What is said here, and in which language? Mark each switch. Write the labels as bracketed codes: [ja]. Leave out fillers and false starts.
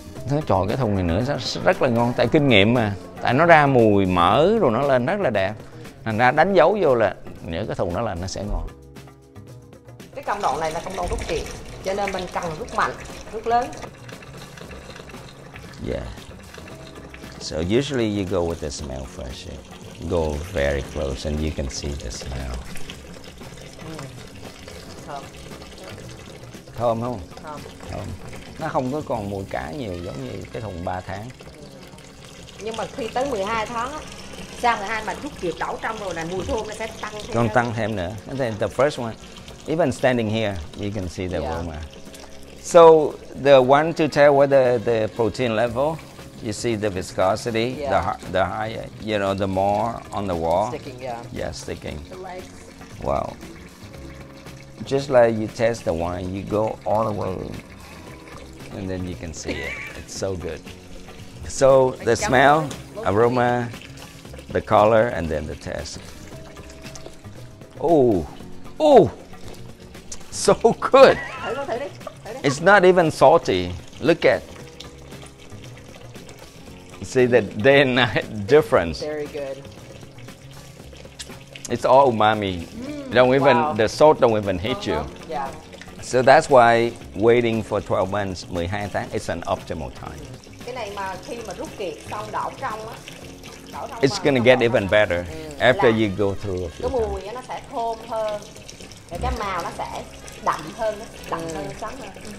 [vi] Nói trời, cái thùng này nữa rất là ngon. Tại kinh nghiệm mà. Tại nó ra mùi mỡ rồi nó lên rất là đẹp. Thành ra đánh dấu vô là nhớ cái thùng đó là nó sẽ ngon. Cái công đoạn này là công đoạn rút tiền, cho nên mình cần rút mạnh, rút lớn. [en] Yeah. So usually you go with the smell first. You go very close and you can see the smell. [vi] Thơm không? Thơm. Nó không có còn mùi cá nhiều giống như cái thùng 3 tháng. Nhưng mà khi tới 12 tháng á, sau 12 mà rút kiệt đảo trong rồi này, mùi thơm nó sẽ tăng thêm. Còn tăng thêm nữa. [en] And then the first one, even standing here, you can see the aroma. So the one to tell whether the protein level, you see the viscosity, the higher, you know, the more on the wall. Sticking, yeah. Yeah, sticking. The legs. Wow. Just like you test the wine, you go all the way and then you can see it. It's so good. So the smell, aroma, the color, and then the taste. Oh, so good. It's not even salty. Look at. See the day and night difference. Very good. It's all umami. Don't even the salt don't even hit you. Yeah. So that's why waiting for 12 months, 12 tháng is an optimal time. [vi] Cái này mà khi mà rút kiệt xong đảo trong á. [en] It's going to get even better after you go through a few. [vi] Cái mùi nó sẽ thơm hơn. Và cái màu nó sẽ đậm hơn, nó đậm hơn, sáng hơn.